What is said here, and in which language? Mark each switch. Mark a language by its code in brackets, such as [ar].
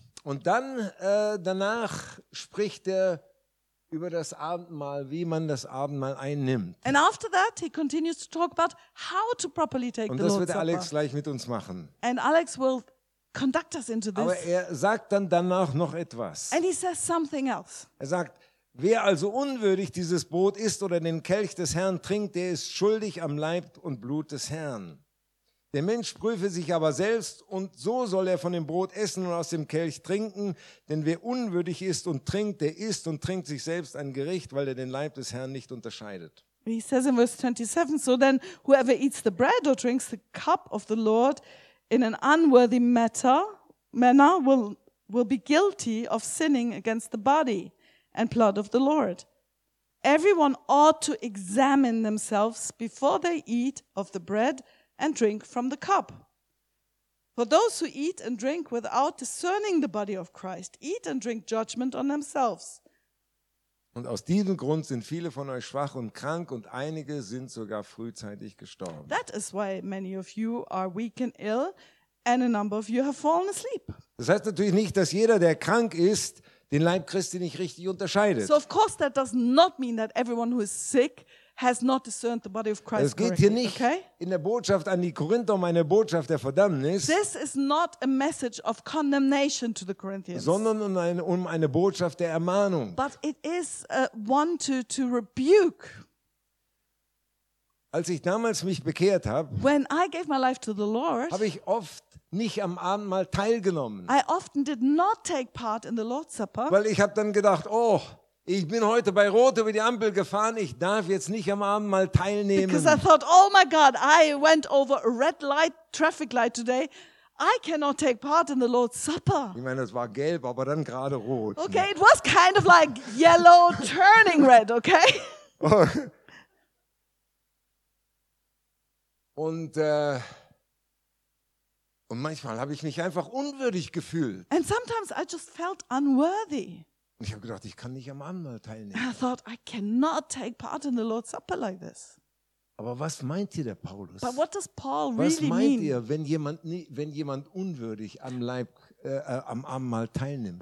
[de] Und dann danach spricht er über das Abendmahl, wie man das Abendmahl einnimmt. [en] And after that he continues to talk about how to properly take the Lord's Supper. [de] Und das wird Alex gleich mit uns machen. [en] And Alex will conduct us into this. [de] Aber er sagt dann danach noch etwas. [en] And he says something else. [de] Er sagt, wer also unwürdig dieses Brot isst oder den Kelch des Herrn trinkt, der ist schuldig am Leib und Blut des Herrn. Der Mensch prüfe sich aber selbst und so soll er von dem Brot essen und aus dem Kelch trinken. Denn wer unwürdig ist und trinkt, der isst und trinkt sich selbst ein Gericht, weil er den Leib des Herrn nicht unterscheidet. [en] He says in verse 27, so then whoever eats the bread or drinks the cup of the Lord in an unworthy manner will be guilty of sinning against the body and blood of the Lord. Everyone ought to examine themselves before they eat of the bread and drink from the cup. For those who eat and drink without discerning the body of Christ eat and drink judgment on themselves. [de] Und aus diesem Grund sind viele von euch schwach und krank und einige sind sogar frühzeitig gestorben. [en] That is why many of you are weak and ill and a number of you have fallen asleep. [de] Das heißt natürlich nicht, dass jeder, der krank ist, den Leib Christi nicht richtig unterscheidet. [en] So of course that does not mean that everyone who is sick has not discerned the body of Christ. [de] Es geht hier nicht in der Botschaft an die Korinther um eine Botschaft der Verdammnis. [en] This is not a message of condemnation to the Corinthians. [de] Sondern um eine Botschaft der Ermahnung. [en] But it is one to rebuke. [de] Als ich damals mich bekehrt habe, [en] when I gave my life to the Lord, [de] habe ich oft nicht am Abendmahl teilgenommen. [en] I often did not take part in the Lord's Supper. [de] Weil ich habe dann gedacht, oh, ich bin heute bei Rot über die Ampel gefahren. Ich darf jetzt nicht am Abend mal teilnehmen. [en] Because I thought, oh my God, I went over a red light, traffic light today. I cannot take part in the Lord's Supper. [de] Ich meine, es war gelb, aber dann gerade rot. [en] Okay, it was kind of like yellow turning red, okay? [de] Und manchmal habe ich mich einfach unwürdig gefühlt. [en] And sometimes I just felt unworthy. [de] Und ich habe gedacht, ich kann nicht am Abendmahl teilnehmen. [en] I thought I cannot take part in the Lord's Supper like this. [de] Aber was meint hier der Paulus? [en] But what does Paul [de] was [en] really [de] meint [en] mean? [de] Ihr, wenn jemand unwürdig am Leib am Abendmahl teilnimmt?